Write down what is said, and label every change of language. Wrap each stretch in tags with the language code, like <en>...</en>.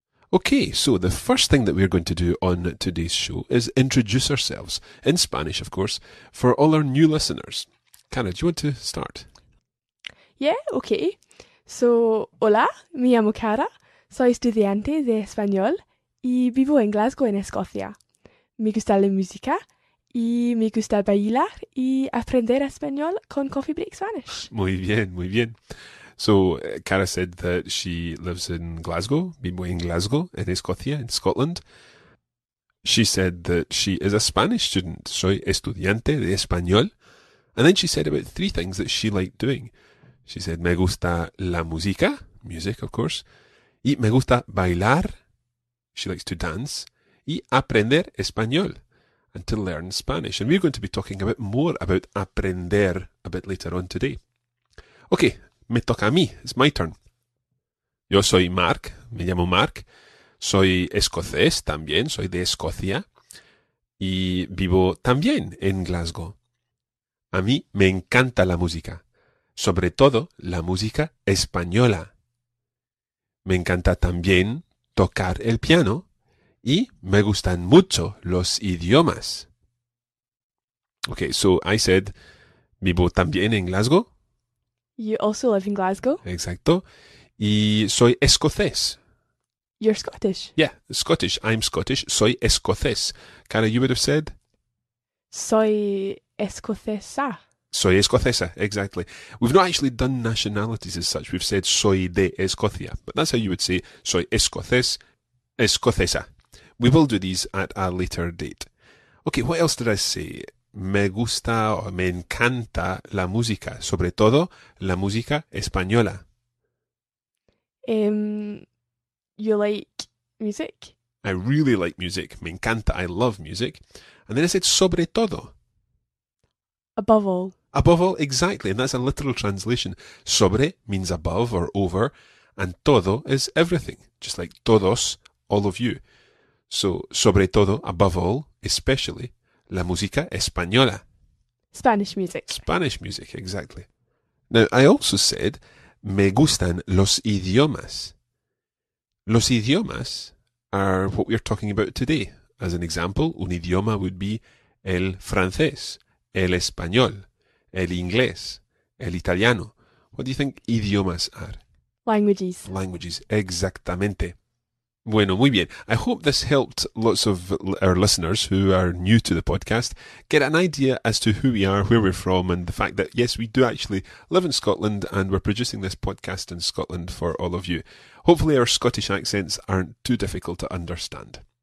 <en>Okay, so the first thing that we're going to do on today's show is introduce ourselves, in Spanish, of course, for all our new listeners. Cana, do you want to start? Yeah, okay.</en> <es>So, hola, me llamo Cara, soy estudiante de español y vivo en Glasgow, en Escocia. Me gusta la música y me gusta bailar y aprender español con Coffee Break Spanish. Muy bien, muy bien.</es> <en>So, Cara said that she lives in Glasgow,</en> <es>vivo en Glasgow, en Escocia,</es> <en>in Scotland. She said that she is a Spanish student,</en> <es>soy estudiante de español.</es> <en>And then she said about three things that she liked doing. She said,</en> <es>me gusta la música,</es> <en>music, of course,</en> <es>y me gusta bailar,</es> <en>she likes to dance,</en> <es>y aprender español,</es> <en>and to learn Spanish. And we're going to be talking a bit more about aprender a bit later on today. Okay,</en> <es>me toca a mí,</es> <en>it's my turn.</en> <es>Yo soy Mark, me llamo Mark, soy escocés también, soy de Escocia, y vivo también en Glasgow. A mí me encanta la música. Sobre todo la música española. Me encanta también tocar el piano y me gustan mucho los idiomas.</es> <en>Okay, so I said,</en> <es>vivo también en Glasgow.</es> <en>You also live in Glasgow.</en> <es>Exacto. Y soy escocés.</es> <en>You're Scottish. Yeah, Scottish. I'm Scottish.</en> <es>Soy escocés.</es> <en>Cara, you would have said?</en> <es>Soy escocesa. Soy escocesa, exactly.</es> <en>We've not actually done nationalities as such. We've said</en> <es>soy de Escocia,</es> <en>but that's how you would say</en> <es>soy escocés, escocesa.</es> <en>We will do these at a later date. Okay, what else did I say?</en> <es>Me gusta o me encanta la música, sobre todo la música española.</es> <en>You like music? I really like music.</en> <es>Me encanta,</es> <en>I love music. And then I said sobre todo. Above all. Above all, exactly, and that's a literal translation. Sobre means above or over, and todo is everything, just like todos, all of you. So, sobre todo, above all, especially,</en> <es>la música española.</es> <en>Spanish music. Spanish music, exactly. Now, I also said,</en> <es>me gustan los idiomas.</es> <en>Los idiomas are what we're talking about today. As an example, un idioma would be</en> <es>el francés, el español. El inglés, el italiano.</es> <en>What do you think idiomas are? Languages.</en> <es>Languages, exactamente. Bueno, muy bien.</es> <en>I hope this helped lots of our listeners who are new to the podcast get an idea as to who we are, where we're from, and the fact that, yes, we do actually live in Scotland and we're producing this podcast in Scotland for all of you. Hopefully our Scottish accents aren't too difficult to understand.</en>